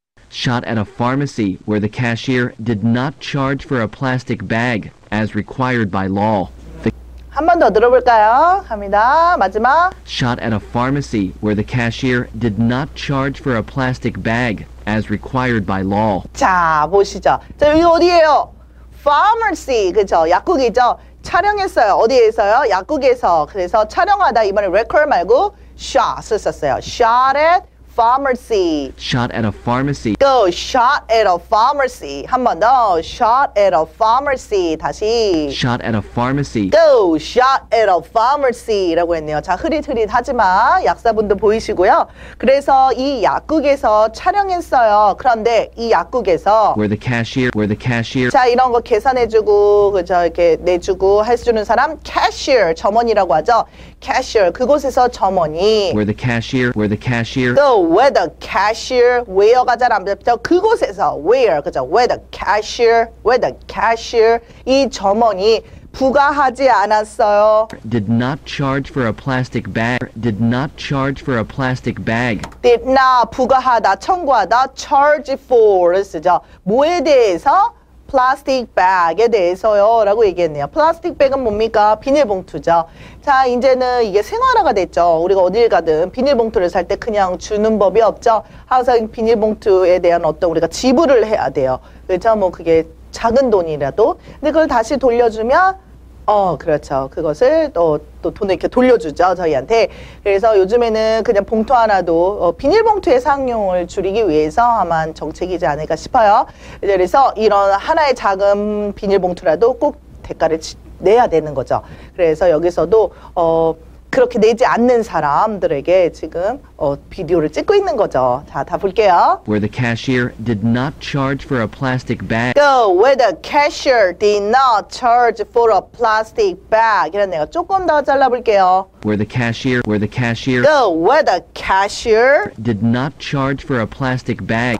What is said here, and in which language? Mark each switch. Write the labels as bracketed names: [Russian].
[English] Shot at a pharmacy where the cashier did not charge for a plastic bag as required by law. [Korean] 한 번 더 들어볼까요? 갑니다. 마지막. [English] Shot at a pharmacy where the cashier did not charge for a plastic bag as required by law. [Korean] 자, 보시죠. 자, 여기 어디예요? Pharmacy, 그렇죠? 약국이죠? 촬영했어요. 어디에서요? 약국에서. 그래서 촬영하다 이번에 record 말고 shot을 썼어요. [English] Shot at pharmacy. Shot at a pharmacy. Go shot at a pharmacy. [Korean] 한 번 더. [English] Shot at a pharmacy. [Korean] 다시. [English] Shot at a pharmacy. Go shot at a pharmacy. [Korean] 라고 했네요. 자, 흐릿흐릿하지만 약사분도 보이시고요. 그래서 이 약국에서 촬영했어요. 그런데 이 약국에서 [English] Where the cashier. Where the cashier. [Korean] 자, 이런 거 계산해주고 그저 이렇게 내주고 할 수 있는 사람 cashier. 점원이라고 하죠. Cashier. 그곳에서 점원이 [English] Where the cashier. Where the cashier. So where the cashier, where가 [Korean] 잘 안 잡혀. 그곳에서 where, 그죠? [English] Where the cashier, where the cashier. [Korean] 이 점원이 부과하지 않았어요. [English] Did not charge for a plastic bag. Did not charge for a plastic bag. Did not [Korean] 부과하다, 청구하다. [English] Charge for를 [Korean] 쓰죠. 뭐에 대해서? Plastic bag에 대해서요. 라고 얘기했네요. Plastic bag은 뭡니까? 비닐봉투죠. 자, 이제는 이게 생활화가 됐죠. 우리가 어딜 가든 비닐봉투를 살 때 그냥 주는 법이 없죠. 항상 비닐봉투에 대한 어떤 우리가 지불을 해야 돼요. 그렇죠? 뭐 그게 작은 돈이라도. 근데 그걸 다시 돌려주면 그렇죠. 그것을 또 돈을 이렇게 돌려주죠. 저희한테. 그래서 요즘에는 그냥 봉투 하나도 비닐봉투의 사용을 줄이기 위해서 아마 정책이지 않을까 싶어요. 그래서 이런 하나의 작은 비닐봉투라도 꼭 대가를 내야 되는 거죠. 그래서 여기서도 그렇게 내지 않는 사람들에게 지금 비디오를 찍고 있는 거죠. 자, 다 볼게요. [English] Where the cashier did not charge for a plastic bag. Go where the cashier did not charge for a plastic bag. [Korean] 이런 내가 조금 더 잘라볼게요. [English] where the cashier go where the cashier did not charge for a plastic bag